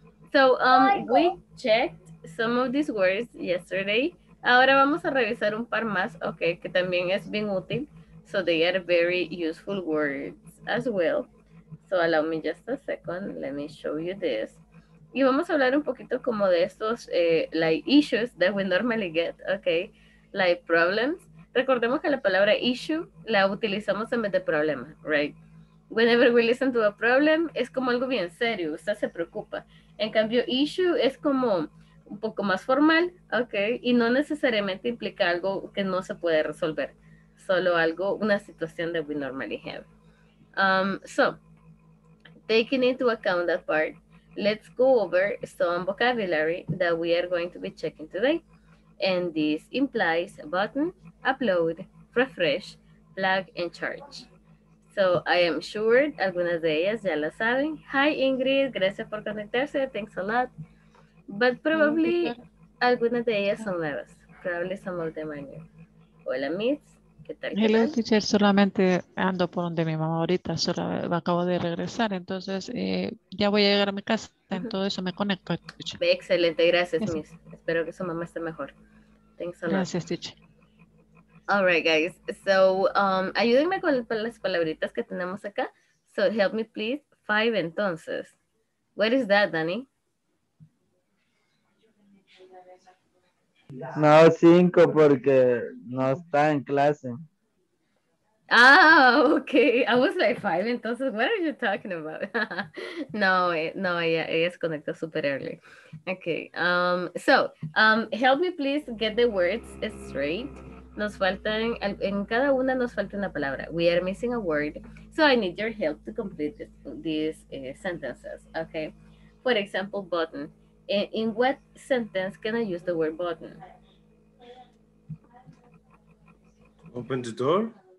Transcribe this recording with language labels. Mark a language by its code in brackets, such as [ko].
[en] So we checked some of these words yesterday. [es] Ahora vamos a revisar un par más, okay, que también es bien útil. [en] So they are very useful words as well. So allow me just a second. Let me show you this. [es] Y vamos a hablar un poquito como de estos [en] like issues that we normally get, okay, like problems. [es] Recordemos que la palabra issue la utilizamos en vez de problema, right? [en] Whenever we listen to a problem, [es] es como algo bien serio, usted se preocupa. En cambio, issue es como un poco más formal, okay, y no necesariamente implica algo que no se puede resolver, solo algo, una situación [en] that we normally have. So, taking into account that part, let's go over some vocabulary that we are going to be checking today. And this implies button, upload, refresh, plug, and charge. So I am sure [es] algunas de ellas ya las saben. Hi Ingrid, gracias por conectarse, [en] thanks a lot. But probably [es] algunas de ellas son nuevas. [en] Probably some of them are new. [es] Hola Miss, ¿qué tal? [en] Hello teacher, [es] solamente ando por donde mi mamá ahorita, solo acabo de regresar, entonces ya voy a llegar a mi casa, en todo eso me conecto. Teacher. Excelente, gracias Miss. Espero que su mamá esté mejor. [en] Thanks a lot. [es] Gracias teacher. [en] All right guys, so [es] ayúdenme con las palabritas que tenemos acá. [en] So help me please, five entonces. What is that, Dani? [es] No, cinco, porque no está en clase. [en] Ah, okay. I was like five, entonces, what are you talking about? [es] No, ella se conectó [en] super early. Okay, help me please get the words straight. [es] Nos faltan, en cada una nos falta una palabra. [en] We are missing a word. So I need your help to complete these sentences, okay? For example, button. In what sentence can I use the word button? Open the door.